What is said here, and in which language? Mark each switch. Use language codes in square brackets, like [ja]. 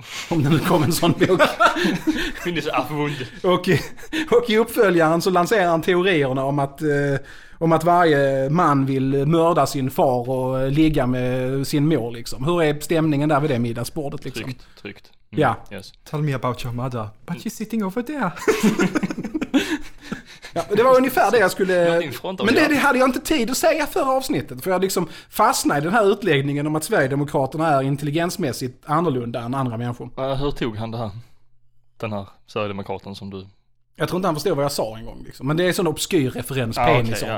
[sv] Om det nu kom en sån bok. Penisavund. Och i uppföljaren så lanserar han teorierna om att varje man vill mörda sin far och ligga med sin mor. Liksom. Hur är stämningen där vid det middagsbordet? Liksom? Tryggt. Mm. Ja. [en] Yes. Tell me about your mother. But she's sitting over there. [sv] Ja, det var ungefär det jag skulle... Men det hade jag inte tid att säga förra avsnittet. För jag liksom fastnade i den här utläggningen om att Sverigedemokraterna är intelligensmässigt annorlunda än andra människor. Hur tog han det här? Den här Sverigedemokraten som du... Jag tror inte han förstår vad jag sa en gång. Liksom. Men det är en sån obskyr referens, ja, penisavund.